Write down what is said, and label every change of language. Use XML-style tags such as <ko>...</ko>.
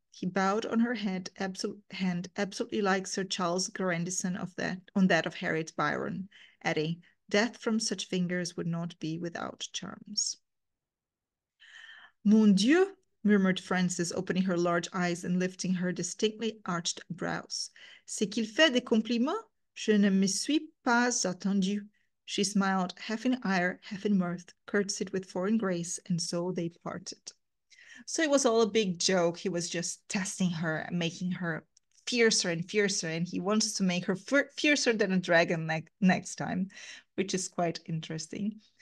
<en>He bowed on her head, absolutely like Sir Charles Grandison on that of Harriet Byron, adding, death from such fingers would not be without charms.</en> <fr>Mon Dieu,</fr> <en>murmured Frances, opening her large eyes and lifting her distinctly arched brows.</en> <fr>C'est qu'il fait des compliments? Je ne me suis pas attendue.</fr> <en>She smiled, half in ire, half in mirth, curtsied with foreign grace, and so they parted. So it was all a big joke. He was just testing her, making her fiercer and fiercer, and he wants to make her fiercer than a dragon next time, which is quite interesting.</en>